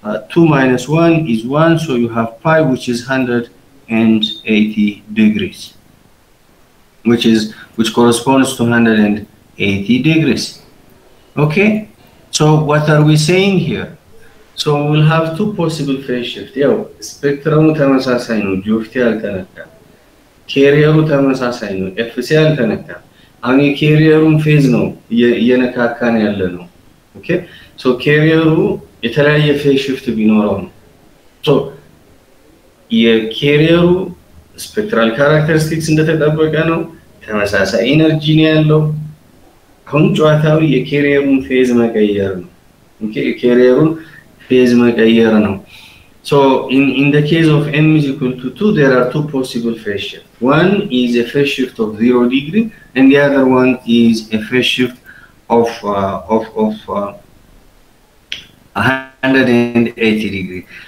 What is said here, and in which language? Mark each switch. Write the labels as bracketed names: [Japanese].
[English] 2 minus 1 is 1, so you have pi, which is 180 degrees, which corresponds to 180 degrees. Okay, so what are we saying here? So we'll have two possible phase shifts. [Amharic] Yeah, spectrum ተመሳሳይ ነው G of T አልተነካ carrier ተመሳሳይ ነው FC አልተነካ አሁን carrier-ን phase ነው የነካካን ያለ ነው. Okay, so carrier-ው የተለያየ phase shift ቢኖረው ነው. So carrier-ው spectral characteristics እንደተጠበቀ ነው ተመሳሳይ energy ነው ያለው. አሁን ጨዋታው የcarrier-ን phase መቀየር ነው. [English] Okay, [Amharic] carrier-ን phase magayar [English] now. So in the case of M is equal to 2, there are two possible phase shift. One is a phase shift of 0 degree, and the other one is a phase shift of 180 degree.